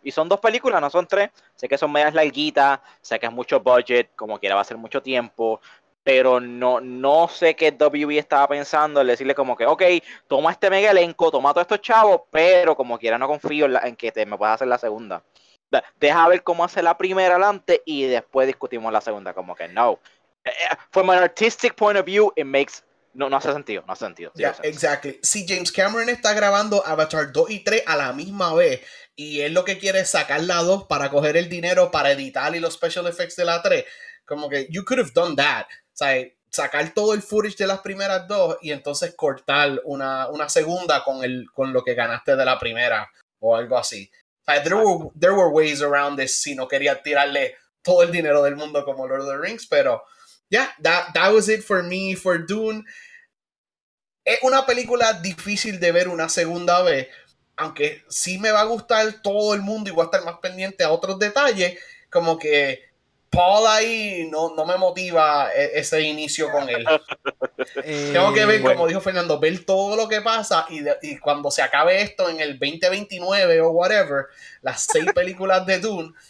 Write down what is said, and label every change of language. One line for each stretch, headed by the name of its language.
Spanish: Y son 2 películas, no son 3. Sé que son medias larguitas, sé que es mucho budget, como quiera va a ser mucho tiempo, pero no sé qué WB estaba pensando en decirle como que, ok, toma este mega elenco, toma a todos estos chavos, pero como quiera no confío en que te me puedas hacer la segunda. Deja ver cómo hace la primera adelante y después discutimos la segunda, como que no.
English: From an artistic point of view, it makes...
Spanish: No hace sentido, no hace sentido.
English: Ya, yeah, exactly.
Spanish: Si James Cameron está grabando Avatar 2 y 3 a la misma vez y él lo que quiere es sacar la 2 para coger el dinero para editar y los special effects de la 3, como que
English: you could have done that.
Spanish: O sea, sacar todo el footage de las primeras 2 y entonces cortar una segunda con lo que ganaste de la primera o algo así. O sea,
English: there were ways around this
Spanish: si no quería tirarle todo el dinero del mundo como Lord of the Rings, pero...
English: Yeah, that was it for me, for Dune.
Spanish: Es una película difícil de ver una segunda vez, aunque sí me va a gustar todo el mundo y voy a estar más pendiente a otros detalles, como que Paul ahí no me motiva ese inicio con él. Tengo que ver, como dijo Fernando, ver todo lo que pasa y cuando se acabe esto en el 2029 o whatever, las 6 películas de Dune...